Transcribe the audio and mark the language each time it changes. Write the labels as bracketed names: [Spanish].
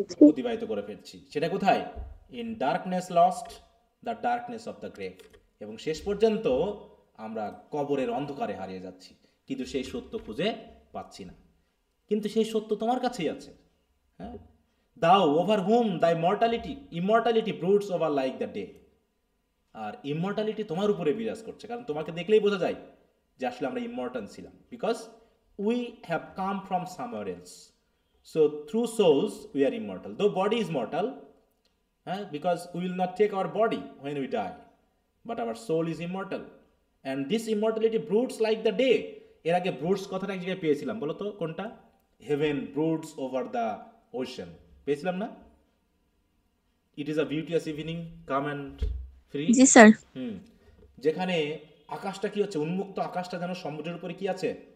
[Bangla] অতিবাহিত করে ফেলছি, সেটা কোথায়, [English] in darkness lost the darkness of the grave, [Bangla] এবং শেষ পর্যন্ত আমরা কবরের অন্ধকারে হারিয়ে যাচ্ছি, কিন্তু সেই সত্য খুঁজে পাচ্ছি না, কিন্তু সেই সত্য তোমার কাছেই আছে। হ্যাঁ, [English] thou over whom thy mortality, immortality broods over like the day, [Bangla] আর immortality তোমার উপরে বিরাজ করছে, কারণ তোমাকে দেখলেই বোঝা যায় যে আসলে আমরা ইমর্টাল ছিলাম, because [English] we have come from somewhere else. So through souls, we are immortal. Though body is mortal, because we will not take our body when we die. But our soul is immortal. And this immortality broods like the day. [Bangla] এর আগে ব্রুডস কথাটা এক জায়গায় পেয়েছিলাম, বলো তো কোনটা? [English] heaven broods over the ocean [Bangla] পেয়েছিলাম না? [English] It is a beauteous evening, calm and free. [Bangla] G sir. যেখানে আকাশটা কি হচ্ছে, উন্মুক্ত আকাশটা যেন সমুদ্রের উপরে কি আছে,